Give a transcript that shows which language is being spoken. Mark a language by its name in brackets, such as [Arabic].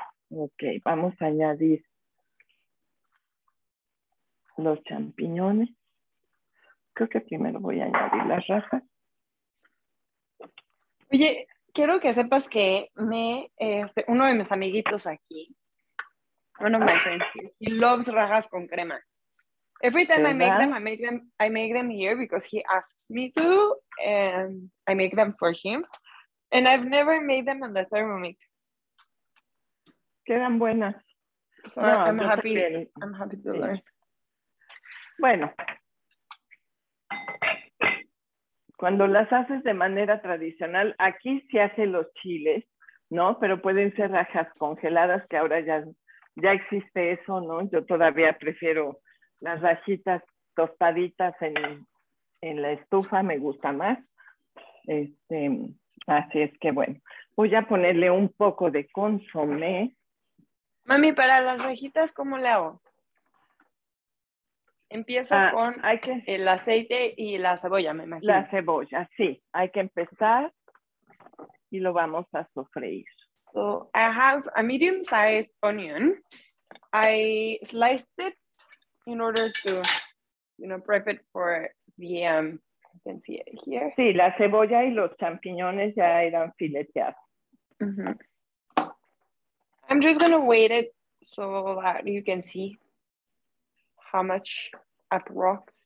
[Spanish] Ok, vamos a añadir los champiñones. Creo que primero voy a añadir las rajas. Oye, quiero que sepas que uno de mis amiguitos aquí, uno me dice, [English] he loves [Spanish] rajas con crema. [English] Every time ¿verdad? I make them here because he asks me to, and I make them for him. And I've never made them on the Thermomix. [Spanish] Quedan buenas. [English] So no, I'm happy to learn. [Spanish] Bueno. Cuando las haces de manera tradicional, aquí se hacen los chiles, ¿no? Pero pueden ser rajas congeladas, que ahora ya existe eso, ¿no? Yo todavía prefiero las rajitas tostaditas en la estufa, me gusta más. Así es que, bueno, voy a ponerle un poco de consomé. Mami, para las rajitas, ¿cómo le hago? Empiezo con el aceite y la cebolla, me imagino. La cebolla, sí. Hay que empezar y lo vamos a sofreír. [English] So, I have a medium-sized onion. I sliced it in order to, you know, prep it for the, you can see it here. [Spanish] Sí, la cebolla y los champiñones ya eran fileteados. Mm-hmm. [English] I'm just going to wait it so that you can see how much aprox.